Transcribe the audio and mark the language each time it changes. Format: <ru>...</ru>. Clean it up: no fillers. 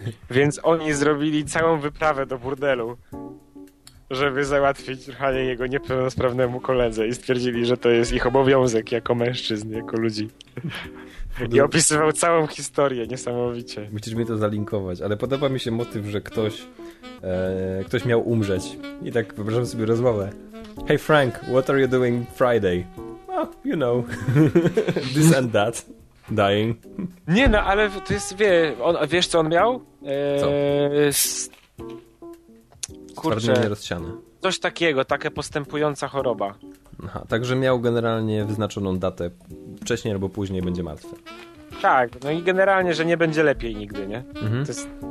<pl>Więc oni zrobili całą wyprawę do burdelu, żeby załatwić ruchanie jego niepełnosprawnemu koledze i stwierdzili, że to jest ich obowiązek jako mężczyzn, jako ludzi. I opisywał całą historię, niesamowicie. Musisz mi to zalinkować, ale podoba mi się motyw, że ktoś, ktoś miał umrzeć. I tak wyobrażam sobie rozmowę.</pl> <en>Hey Frank, what are you doing Friday? Oh, you know, this and that. Dying.</en> <pl>Nie, no, ale to jest, wie, on, wiesz, co on miał? Stwardnienie rozsiane. Coś takiego, taka postępująca choroba. Aha, także miał generalnie wyznaczoną datę. Wcześniej albo później będzie martwy. Tak, no i generalnie, że nie będzie lepiej nigdy, nie? Mhm. To jest...</pl>